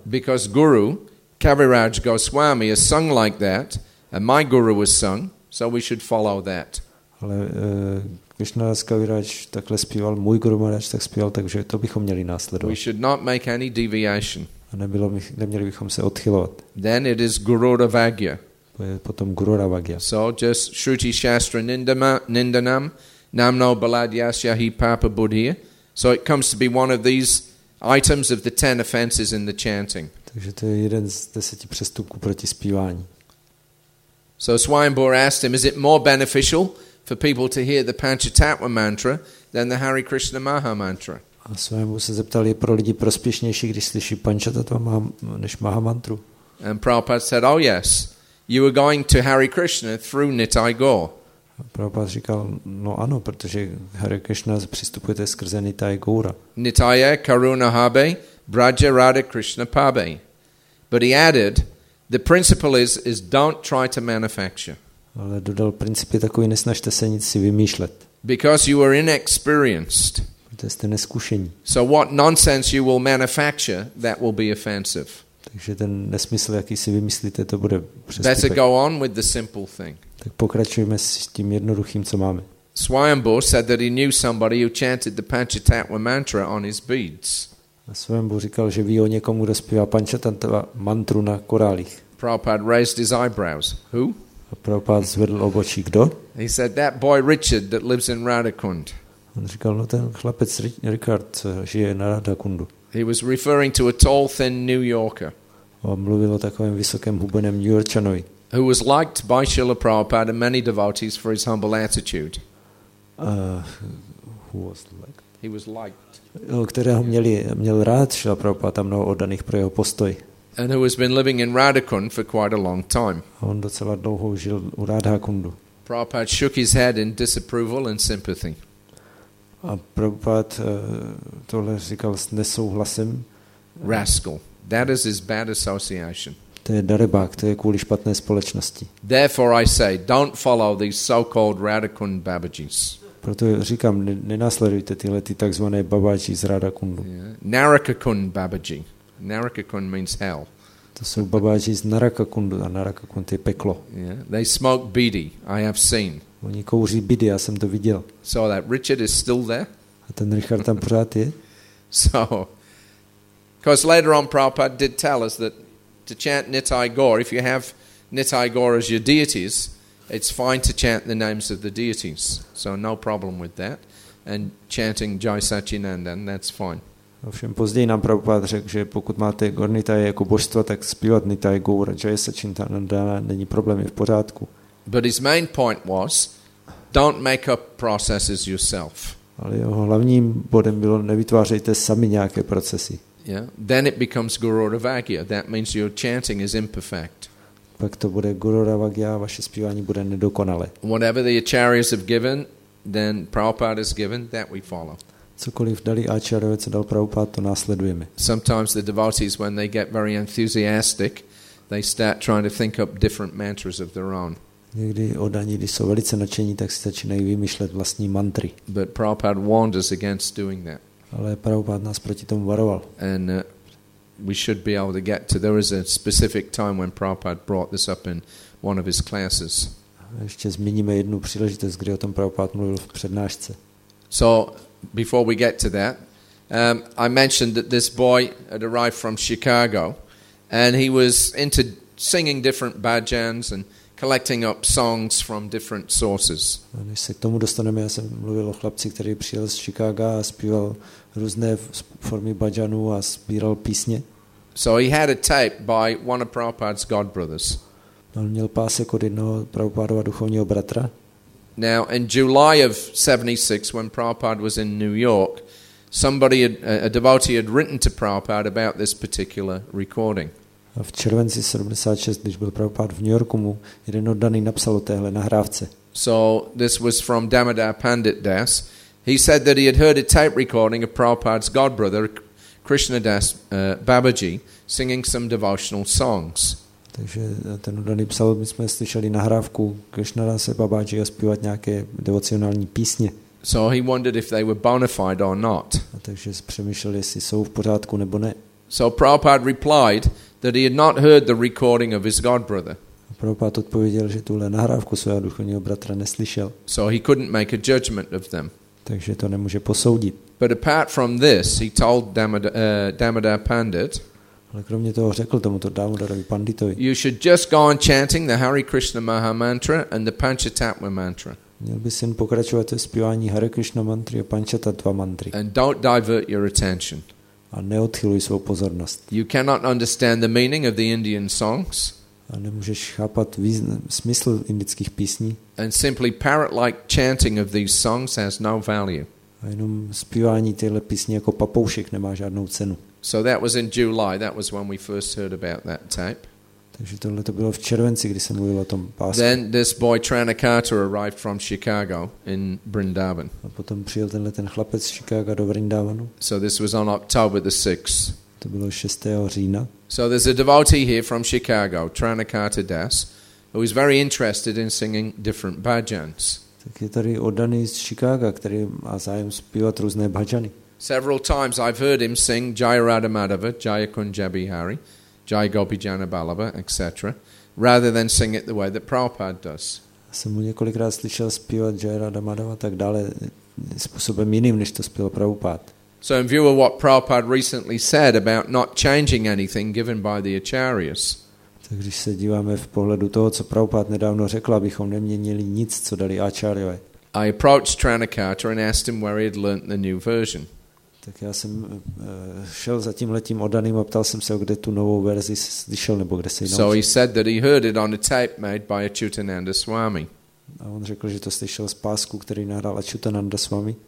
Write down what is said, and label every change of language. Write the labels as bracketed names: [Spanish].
[English] Because Guru Kaviraj Goswami is sung like that, and my guru was sung, so we should follow that. [Czech] Ale Krishnadas Kaviraj takhle zpíval, můj guru Maharaj tak zpíval, takže to bychom měli následovat. [English] We should not make any deviation. [Czech] A neměli bychom se odchylovat. [English] Then it is Guru Ravagya. [Czech] To je potom Guru Ravagya. [English] So just [Sanskrit] Shruti Shastra Nindanam, Namno Balad Yasya Hi Papa Buddhi. [English] So it comes to be one of these items of the 10 offenses in the chanting. [Czech] Takže to je jeden z 10 přestupků proti zpívání. [English] So Swayambhur asked him, is it more beneficial for people to hear the Panchatattva mantra than the Hare Krishna Maha mantra? [Czech] A Swayambhur se zeptal, je pro lidi prospěšnější, když slyší Panchatattva než Maha mantru? [English] And Prabhupada said, oh yes, you were going to Hare Krishna through Nitai Gaur. [Czech] Prabhupada říkal, no ano, protože Hare Krishna přistupujete skrze Nitai Gaura. [Bangla] Nitaya Karuna Habe Braja Radha Krishna Pabe. [English] But he added, the principle is don't try to manufacture. [Czech] Ale dodal principy takový, nesnažte se nic si vymýšlet. [English] Because you are inexperienced. [Czech] Protože jste neskušení. [English] So what nonsense you will manufacture, that will be offensive. [Czech] Takže ten nesmysl, jaký si vymyslíte, to bude přestupek. [English] Better go on with the simple thing. [Czech] Tak pokračujeme s tím jednoduchým, co máme. [English] Swayambhur said that he knew somebody who chanted the Panchatattva mantra on his beads. [Czech] A Swayambhur říkal, že ví o někom, kdo zpívá Panchatattva mantru na korálích. [English] Prabhupada raised his eyebrows. Who? [Czech] A Prabhupada zvedl obočí, kdo? [English] He said, that boy Richard that lives in Radhakund. [Czech] On říkal, no ten chlapec Richard, co žije na Radhakundu. [English] He was referring to a tall, thin New Yorker. [Czech] On mluvil o takovém vysokém hubeném New Yorkčanovi. [English] who was liked by Srila Prabhupada and many devotees for his humble attitude. Who was liked? He was liked. [Czech] Kterého měl rád Srila Prabhupada a mnoho oddaných pro jeho postoj. [English] And who has been living in Radhakund for quite a long time. [Czech] On docela dlouho žil u Radhakundu. [English] Prabhupada shook his head in disapproval and sympathy. [Czech] A Prabhupada tohle říkal s nesouhlasem. [English] Rascal. That is his bad association. [Czech] To je darebák, to je kvůli špatné společnosti. [English] Therefore I say, don't follow these so-called Radhakund Babajis. [Czech] Proto říkám, nenásledujte tyhle ty takzvané babáči z Radhakundu. [English] Yeah. Narakakund Babaji. Narakakund means hell. [Czech] To jsou babáči z Narakakundu a Narakakund je peklo. [English] Yeah. They smoke bidi, I have seen. [Czech] Oni kouří bidi, já jsem to viděl. [English] So that Richard is still there. [Czech] A ten Richard tam pořád je. [English] So, because later on Prabhupada did tell us that to chant Nitai Gaur, if you have Nitai Gaur as your deities, it's fine to chant the names of the deities. So no problem with that. And chanting Jai Satchinandan, that's fine. [Czech] Ovšem později nám Prabhupada řekl, že pokud máte Gaur Nitai jako božstva, tak zpívat Nitai Gaur a Jai Satchinandan není problém, je v pořádku. [English] But his main point was, don't make up processes yourself. [Czech] Ale jeho hlavním bodem bylo, nevytvářejte sami nějaké procesy. [English] Yeah, then it becomes Gururavagya. That means your chanting is imperfect. [Czech] Pak to bude Gururavagya, vaše zpívání bude nedokonalé. [English] Whatever the acharyas have given, then Prabhupada has given, that we follow. [Czech] Cokoliv dali acharyové, co dal Prabhupada, to následujeme. [English] Sometimes the devotees, when they get very enthusiastic, they start trying to think up different mantras of their own. [Czech] Někdy oddaní, když jsou velice nadšení, tak si začínají vymýšlet vlastní mantry. [English] But Prabhupada warned us against doing that. [Czech] Ale Prabhupada nás proti tomu varoval. [English] And we should be able to get to. There was a specific time when Prabhupada brought this up in one of his classes. [Czech] Ještě zmíníme jednu příležitost, kdy o tom Prabhupada mluvil v přednášce. [English] So before we get to that, I mentioned that this boy had arrived from Chicago, and he was into singing different bhajans and collecting up songs from different sources. [Czech] Než se k tomu dostaneme, já jsem mluvil o chlapci, který přijel z Chicaga a zpíval různé formy bhajanů a sbíral písně. [English] So he had a tape by one of Prabhupada's god brothers. [Czech] On měl pásek od jednoho Prabhupádova duchovního bratra. [English] Now in July of 76, when Prabhupada was in New York, somebody had, a devotee had written to Prabhupada about this particular recording. [Czech] A v červenci 76, když byl Prabhupada v New Yorku, mu jeden oddaný napsal o téhle nahrávce. [English] So this was from Damodar Pandit Das. He said that he had heard a tape recording of Prabhupada's god brother Krishna Das Babaji singing some devotional songs. [Czech] Takže ten oddaný psal, my jsme slyšeli nahrávku Krishna Das Babaji zpívat nějaké devocionální písně. [English] So he wondered if they were bona fide or not. [Czech] A takže přemýšlel, jestli jsou v pořádku nebo ne. [English] So Prabhupada replied that he had not heard the recording of his god brother. [Czech] Prabhupada odpověděl, že tuhle nahrávku svého duchovního bratra neslyšel. [English] So he couldn't make a judgment of them. [Czech] Takže to nemůže posoudit. [English] But apart from this, he told Damodar Pandit, [Czech] ale kromě toho řekl tomuto Damodarovi Panditovi, [English] you should just go on chanting the Hare Krishna Maha Mantra and the Panchatattva Mantra. [Czech] Měl bys jen pokračovat ve zpívání Hare Krishna Mantry a Panchatattva Mantry. [English] And don't divert your attention. [Czech] A neodchyluj svou pozornost. [English] You cannot understand the meaning of the Indian songs. [Czech] A nemůžeš chápat smysl indických písní. [English] And simply parrot-like chanting of these songs has no value. [Czech] A jenom zpívání téhle písně jako papoušek nemá žádnou cenu. [English] So that was in July. That was when we first heard about that tape. [Czech] Takže tohle to bylo v červenci, kdy jsem mluvil o tom pásku. [English] Then this boy Tranakata arrived from Chicago in Vrindavan. [Czech] A potom přijel tenhle ten chlapec z Chicago do Vrindavanu. [English] So this was on October the 6th. [Czech] To bylo 6. října. [English] So there's a devotee here from Chicago, Tranakata Das, who is very interested in singing different bhajans. [Czech] Tak je tady oddaný z Chicago, který má zájem zpívat různé bhajany. [English] Several times I've heard him sing Jai Radha Madhava, Jai Kunjabi Hari, Jai Gopi Janabalava, etc., rather than sing it the way that Prabhupada does. [Czech] Jsem mu několikrát slyšel zpívat Jai Radha Madhava tak dále způsobem jiným, než to zpíval Prabhupada. [English] So in view of what Prabhupada recently said about not changing anything given by the acharyas. [Czech] Tak když se díváme v pohledu toho, co Prabhupada nedávno řekl, abychom neměnili nic, co dali acharyové. [English] I approached Tranakata and asked him where he had learnt the new version. [Czech] Tak já jsem šel za tím letím oddaným a ptal jsem se, kde tu novou verzi slyšel nebo kde se jí [English] So he said that he heard it on a tape made by Achyutananda Swami. [Czech] A on řekl, že to slyšel z pásku, který nahrál Achyutananda Swami.